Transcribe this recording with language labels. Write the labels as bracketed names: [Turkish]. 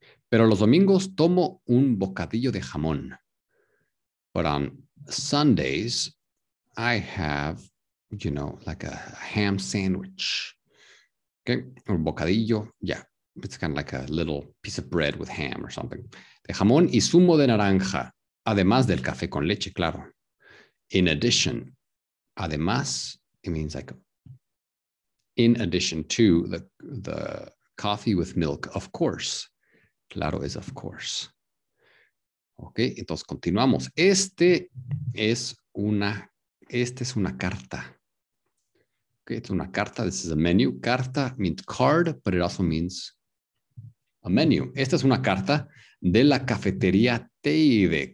[Spanish] Pero los domingos tomo un bocadillo de jamón. [English] But on Sundays, I have, you know, like a ham sandwich. Okay, or bocadillo. Yeah, it's kind of like a little piece of bread with ham or something. [Spanish] De jamón y zumo de naranja. Además del café con leche, claro. [English] In addition. Además, it means like in addition to the coffee with milk, of course. Claro is of course. Okay, [Spanish] entonces continuamos. Esta es una carta. [English] Okay, it's [Spanish] una carta. [English] This is a menu. Carta means card, but it also means a menu. [Spanish] Esta es una carta de la cafetería Teide.